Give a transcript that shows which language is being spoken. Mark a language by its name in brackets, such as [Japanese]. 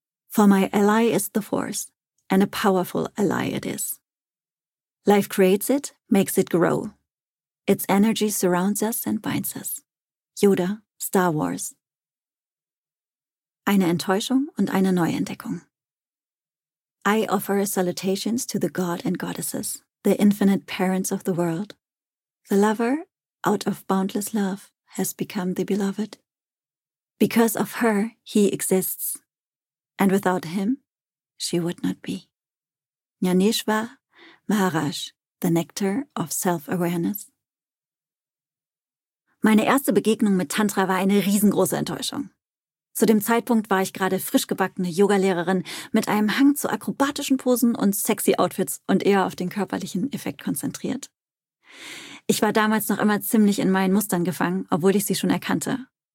[English] For my ally is the force, and a powerful ally it is. Life creates it, makes it grow. Its energy surrounds us and binds us. [German] Yoda, Star Wars. Eine Enttäuschung und eine Neuentdeckung. [English] I offer salutations to the god and goddesses, the infinite parents of the world. The lover, out of boundless love, has become the beloved. Because of her, he exists. And without him, she would not be. Jnaneshwar Maharaj, the nectar of self-awareness. [German] Meine erste Begegnung mit Tantra war eine riesengroße Enttäuschung. Zu dem Zeitpunkt war ich gerade frischgebackene Yogalehrerin mit einem Hang zu akrobatischen Posen und sexy Outfits und eher auf den körperlichen Effekt konzentriert. Ich war damals noch immer ziemlich in meinen Mustern gefangen, obwohl ich sie schon erkannte.